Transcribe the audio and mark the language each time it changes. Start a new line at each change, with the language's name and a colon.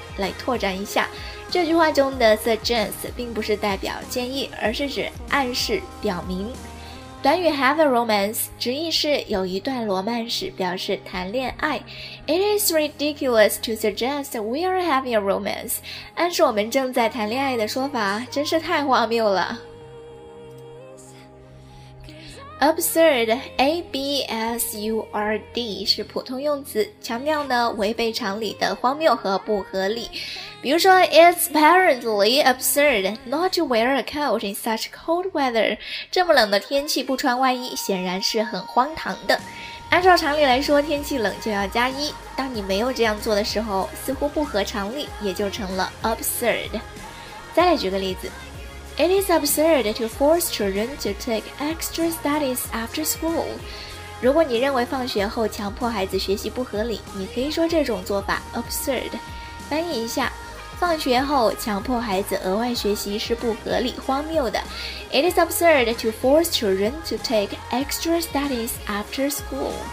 Chinese: 来拓展一下，这句话中的 suggest 并不是代表建议，而是指暗示、表明。短语 have a romance 直译是有一段罗曼史，表示谈恋爱。
English: It is ridiculous to suggest we are having a romance，
Chinese: 暗示我们正在谈恋爱的说法真是太荒谬了。 absurd A-B-S-U-R-D 是普通用词，强调呢违背常理的荒谬和不合理，比如说
English: It's apparently absurd not to wear a coat in such cold weather，
Chinese: 这么冷的天气不穿外衣显然是很荒唐的。按照常理来说，天气冷就要加衣，当你没有这样做的时候，似乎不合常理，也就成了 absurd。再来举个例子，
English: It is absurd to force children to take extra studies after school，
Chinese: 如果你认为放学后强迫孩子学习不合理，你可以说这种做法 absurd。翻译一下，放学后强迫孩子额外学习是不合理、荒谬的。
English: It is absurd to force children to take extra studies after school。